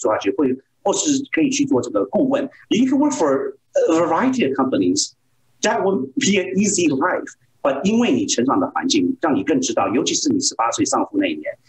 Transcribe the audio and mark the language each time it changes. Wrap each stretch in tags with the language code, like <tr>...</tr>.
<zh>你很多经验，外交经验，你可以在外交部继续做下去，或是可以去做这个顾问.</zh> <en>You can work for a variety of companies. That would be an easy life.</en> <zh>But 因为你成长的环境，让你更知道，尤其是你18岁丧父那一年。</zh>